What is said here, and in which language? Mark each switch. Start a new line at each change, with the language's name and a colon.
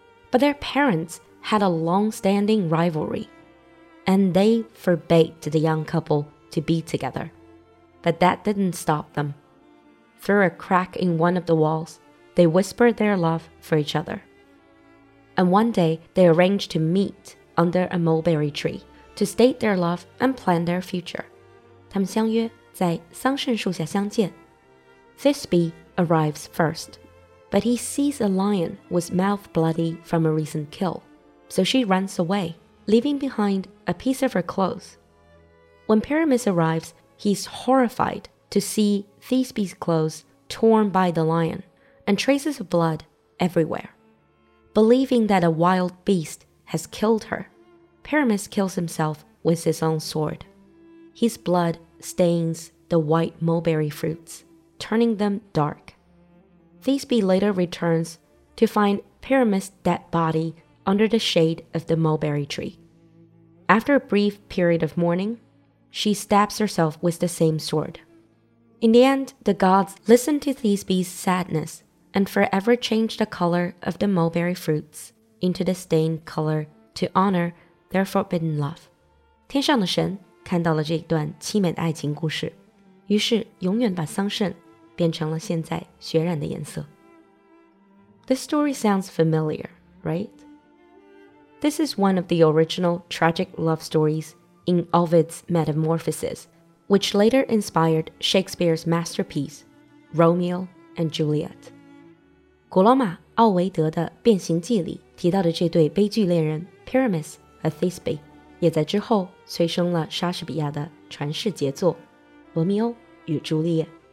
English: But their parents had a long-standing rivalry, and they forbade the young couple to be together. But that didn't stop them. Through a crack in one of the walls, they whispered their love for each other. And one day, they arranged to meet under a mulberry tree to state their love and plan their future.
Chinese: 他们相约在桑葚树下相见。
English: Thisbe arrives first, but he sees a lion with mouth bloody from a recent kill. So she runs away, leaving behind a piece of her clothes. When Pyramus arrives, he's horrified to see Thisbe's clothes torn by the lion and traces of blood everywhere. Believing that a wild beast has killed her, Pyramus kills himself with his own sword. His blood stains the white mulberry fruits, turning them dark. Thisbe later returns to find Pyramus' dead body under the shade of the mulberry tree. After a brief period of mourning, she stabs herself with the same sword. In the end, the gods listened to Thisbe's sadness and forever changed the color of the mulberry fruits into the stained color to honor their forbidden love.
Chinese: 天上的神看到了这段凄美的爱情故事，于是永远把桑葚变成了现在血染的颜色。
English: This story sounds familiar, right? This is one of the original tragic love stories in Ovid's Metamorphoses,which later inspired Shakespeare's masterpiece, Romeo and Juliet.
Chinese: 古罗马奥维德的《变形记》里提到的这对悲剧恋人 Pyramus 和 Thisbe 也在之后催生了莎士比亚的传世杰作《罗密欧与朱丽叶》。